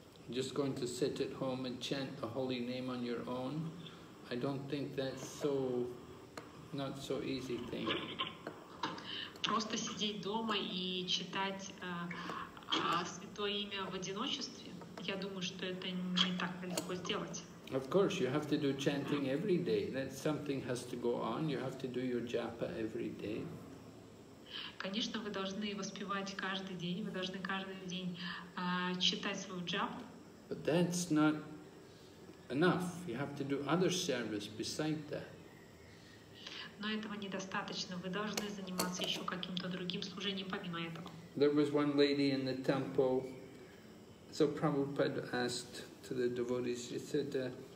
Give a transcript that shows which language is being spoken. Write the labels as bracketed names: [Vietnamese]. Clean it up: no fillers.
[English] Just going to sit at home and chant the holy name on your own, I don't think that's so, not so easy thing. [Russian] Просто сидеть дома и читать святое имя в одиночестве, я думаю, что это не так легко сделать. [English] Of course, you have to do chanting every day. That something has to go on. You have to do your japa every day. [Russian] Конечно, вы должны воспевать каждый день. Вы должны каждый день читать свою джапу. [English] But that's not enough. You have to do other service beside that. [Russian] Но этого недостаточно. Вы должны заниматься еще каким-то другим служением помимо этого. [English] There was one lady in the temple. So Prabhupada asked to the devotees, he said,